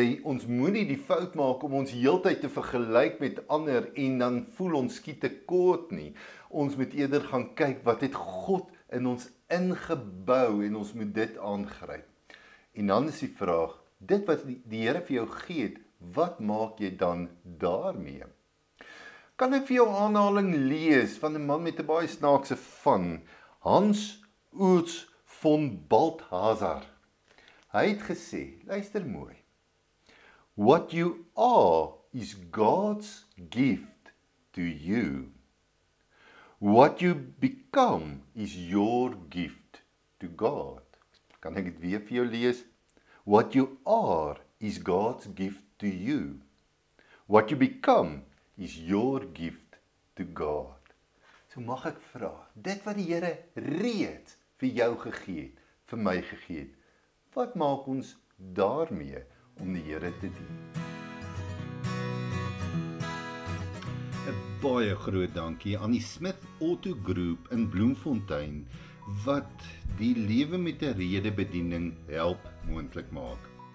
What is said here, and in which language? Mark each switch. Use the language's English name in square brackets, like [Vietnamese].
[Afrikaans] Ons moenie die fout maak om ons heeltyd te vergelyk met ander en dan voel ons skiet tekort nie. Ons moet eerder gaan kyk wat het God in ons ingebou en ons moet dit aangryp. En dan is die vraag, dit wat die Here vir jou gee het, wat maak jy dan daarmee? Kan ek vir jou aanhaling lees van 'n man met 'n baie snaakse van Hans Oets van Balthazar. Hy het gesê, luister mooi, [English] what you are is God's gift to you. What you become is your gift to God. [Afrikaans] Kan ek dit weer vir jou lees? [English] What you are is God's gift to you. What you become is your gift to God. [Afrikaans] So mag ek vra, dit wat die Here reeds vir jou gegee het, vir my gegee het, wat maak ons daarmee om die Here te dien? 'N baie groot dankie aan die Smith Auto Group in Bloemfontein wat die lewe met 'n rede bediening help moontlik maak.